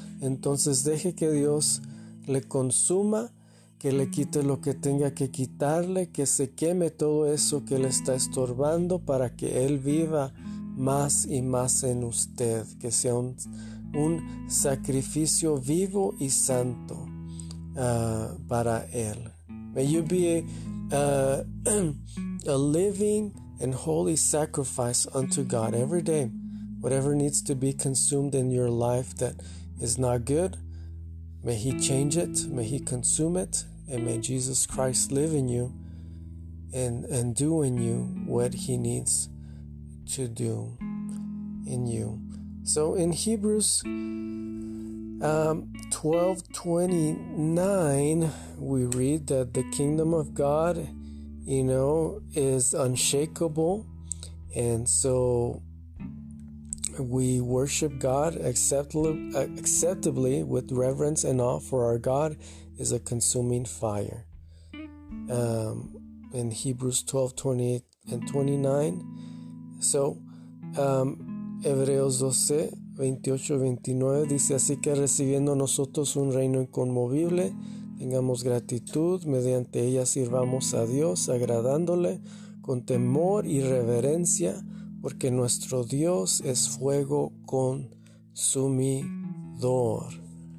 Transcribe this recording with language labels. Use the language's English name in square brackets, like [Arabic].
[Spanish] Entonces deje que Dios le consuma, que le quite lo que tenga que quitarle, que se queme todo eso que le está estorbando para que Él viva más y más en usted, que sea un sacrificio vivo y santo para Él. [English] May you be a living and holy sacrifice unto God every day. Whatever needs to be consumed in your life that is not good, may He change it, may He consume it, and may Jesus Christ live in you and do in you what He needs to do in you. So in Hebrews 12:29, we read that the kingdom of God, you know, is unshakable. And so we worship God acceptably with reverence and awe, for our God is a consuming fire. In Hebrews 12:28-29. [Spanish] So, Hebreos 12:28-29 dice, así que recibiendo nosotros un reino inconmovible, tengamos gratitud, mediante ella sirvamos a Dios, agradándole con temor y reverencia, porque nuestro Dios es fuego consumidor.